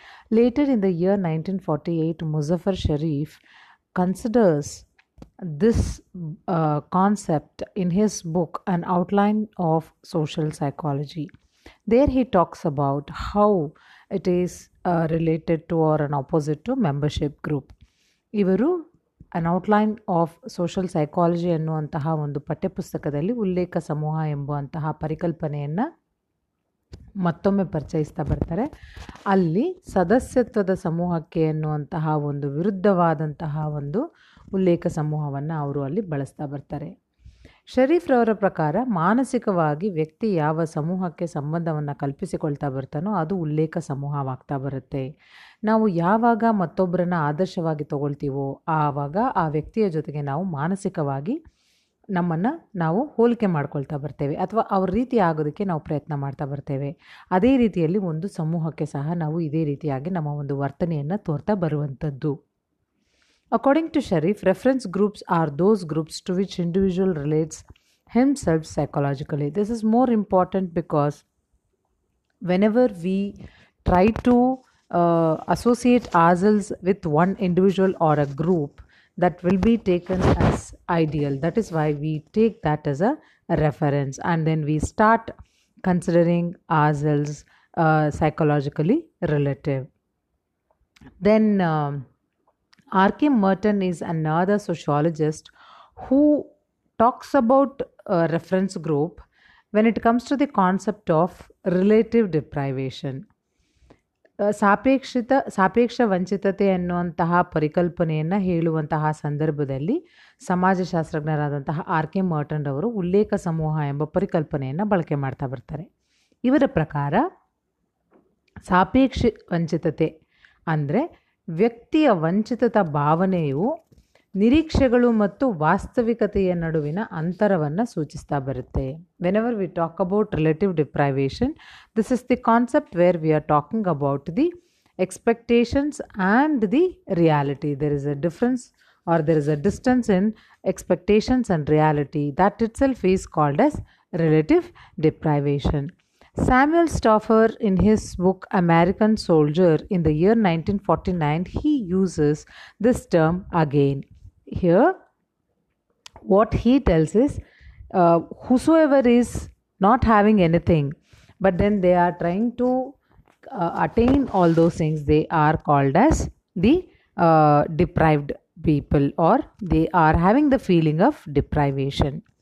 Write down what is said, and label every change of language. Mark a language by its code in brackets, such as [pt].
[en] Later in the year 1948, Muzaffar Sharif considers this concept in his book An Outline of Social Psychology. There he talks about how it is related to or an opposite to membership group. [kn] Ivaru An Outline of Social Psychology ಎನ್ನುವಂತಹ ಒಂದು ಪಠ್ಯಪುಸ್ತಕದಲ್ಲಿ ಉಲ್ಲೇಖ ಸಮೂಹ ಎಂಬುವಂತಹ ಪರಿಕಲ್ಪನೆಯನ್ನು ಮತ್ತೊಮ್ಮೆ ಪರಿಚಯಿಸ್ತಾ ಬರ್ತಾರೆ. ಅಲ್ಲಿ ಸದಸ್ಯತ್ವದ ಸಮೂಹಕ್ಕೆ ಎನ್ನುವಂತಹ ಒಂದು ವಿರುದ್ಧವಾದಂತಹ ಒಂದು ಉಲ್ಲೇಖ ಸಮೂಹವನ್ನು ಅವರು ಅಲ್ಲಿ ಬಳಸ್ತಾ ಬರ್ತಾರೆ. ಶರೀಫ್ರವರ ಪ್ರಕಾರ ಮಾನಸಿಕವಾಗಿ ವ್ಯಕ್ತಿ ಯಾವ ಸಮೂಹಕ್ಕೆ ಸಂಬಂಧವನ್ನು ಕಲ್ಪಿಸಿಕೊಳ್ತಾ ಬರ್ತಾನೋ ಅದು ಉಲ್ಲೇಖ ಸಮೂಹವಾಗ್ತಾ ಬರುತ್ತೆ. ನಾವು ಯಾವಾಗ ಮತ್ತೊಬ್ಬರನ್ನ ಆದರ್ಶವಾಗಿ ತಗೊಳ್ತೀವೋ ಆವಾಗ ಆ ವ್ಯಕ್ತಿಯ ಜೊತೆಗೆ ನಾವು ಮಾನಸಿಕವಾಗಿ ನಮ್ಮನ್ನು ನಾವು ಹೋಲಿಕೆ ಮಾಡ್ಕೊಳ್ತಾ ಬರ್ತೇವೆ ಅಥವಾ ಅವ್ರ ರೀತಿ ಆಗೋದಕ್ಕೆ ನಾವು ಪ್ರಯತ್ನ ಮಾಡ್ತಾ ಬರ್ತೇವೆ. ಅದೇ ರೀತಿಯಲ್ಲಿ ಒಂದು ಸಮೂಹಕ್ಕೆ ಸಹ ನಾವು ಇದೇ ರೀತಿಯಾಗಿ ನಮ್ಮ ಒಂದು ವರ್ತನೆಯನ್ನು ತೋರ್ತಾ ಬರುವಂಥದ್ದು. [en] According to Sharif, reference groups are those groups to which individual relates himself psychologically. This is more important because whenever we try to associate ourselves with one individual or a group, that will be taken as ideal. That is why we take that as a reference and then we start considering ourselves psychologically relative. Then R.K. Merton is another sociologist who talks about a reference group when it comes to the concept of relative deprivation. [kn] ಸಾಪೇಕ್ಷಿತ ವಂಚಿತತೆ ಎನ್ನುವಂತಹ ಪರಿಕಲ್ಪನೆಯನ್ನು ಹೇಳುವಂತಹ ಸಂದರ್ಭದಲ್ಲಿ ಸಮಾಜಶಾಸ್ತ್ರಜ್ಞರಾದಂತಹ R K ಮರ್ಟನ್ ಅವರು ಉಲ್ಲೇಖ ಸಮೂಹ ಎಂಬ ಪರಿಕಲ್ಪನೆಯನ್ನು ಬಳಕೆ ಮಾಡ್ತಾ ಬರ್ತಾರೆ. ಇವರ ಪ್ರಕಾರ ಸಾಪೇಕ್ಷ ವಂಚಿತತೆ ಅಂದರೆ ವ್ಯಕ್ತಿಯ ವಂಚಿತತ ಭಾವನೆಯು ನಿರೀಕ್ಷೆಗಳು ಮತ್ತು ವಾಸ್ತವಿಕತೆಯ ನಡುವಿನ ಅಂತರವನ್ನು ಸೂಚಿಸ್ತಾ ಬರುತ್ತೆ. [en] Whenever we talk about relative deprivation, this is the concept where we are talking about the expectations and the reality. There is a difference or there is a distance in expectations and reality. That itself is called as relative deprivation. Samuel Stauffer in his book American Soldier in the year 1949, he uses this term again. Here, what he tells is, whosoever is not having anything, but then they are trying to attain all those things, they are called as the deprived people, or they are having the feeling of deprivation.